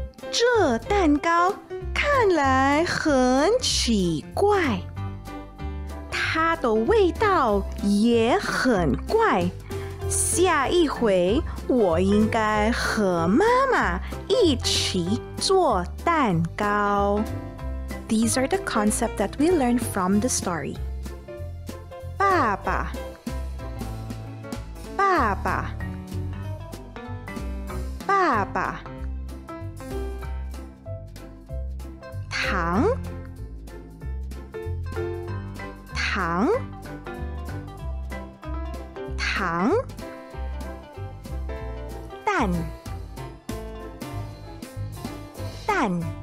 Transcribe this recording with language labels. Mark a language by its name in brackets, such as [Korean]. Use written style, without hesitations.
[Chinese] 这蛋糕看来很奇怪，它的味道也很怪。下一回我应该和妈妈一起做蛋糕。 [English] These are the concepts that we learned from the story. [Chinese] 爸爸，爸爸，爸爸，糖，糖，糖，蛋，蛋。